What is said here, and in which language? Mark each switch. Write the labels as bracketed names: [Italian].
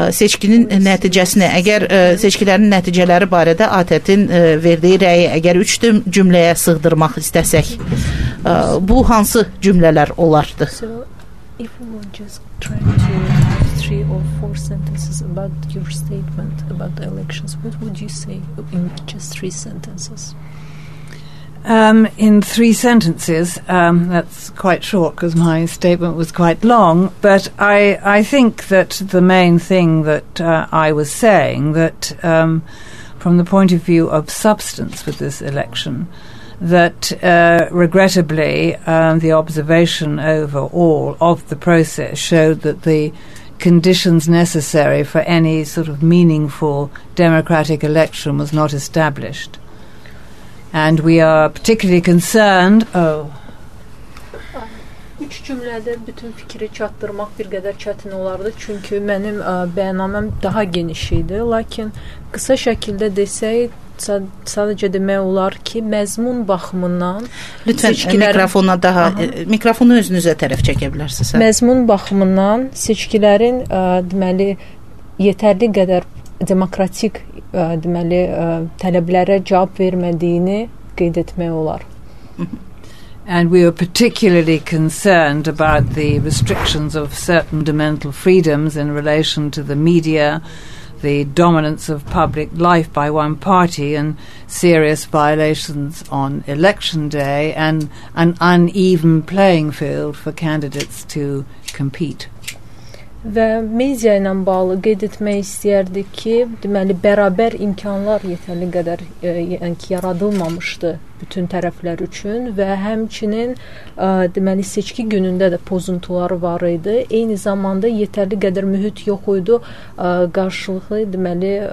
[Azerbaijani] seçkinin nəticəsini, əgər seçkilərin nəticələri barədə ATƏT-in verdiyi rəyi əgər üç cümləyə sığdırmaq istəsək, bu hansı cümlələr olardı? [English] If we were just trying to have three or four sentences about your statement about the elections, what would you say in just three sentences? In three sentences, that's quite short because my statement was quite long, but I think that the main thing that I was saying, that from the point of view of substance with this election, that regrettably the observation overall of the process showed that the conditions necessary for any sort of meaningful democratic election was not established. And we are particularly concerned. Oh. [Azerbaijani] Üç cümlədə bütün fikri çatdırmaq bir qədər çətin olardı, çünki mənim bəyanaməm daha geniş idi. Lakin qısa şəkildə desək, sadəcə demək olar ki, məzmun baxımından... Lütfən, mikrofona daha... Mikrofonu özünüzə tərəf çəkə bilərsiniz. Məzmun baxımından seçkilərin deməli, yetərli qədər demokratik deməli, tələblərə cavab vermədiyini qeyd etmək olar. [English] And we were particularly concerned about the restrictions of certain fundamental freedoms in relation to the media, the dominance of public life by one party, and serious violations on election day, and an uneven playing field for candidates to compete. [Azerbaijani] Və media ilə bağlı qeyd etmək istəyərdik ki, deməli, bərabər imkanlar yetərli qədər yaradılmamışdı bütün tərəflər üçün və həmçinin deməli, seçki günündə də pozuntular var idi. Eyni zamanda yetərli qədər mühit yox idi qarşılıqlı, deməli,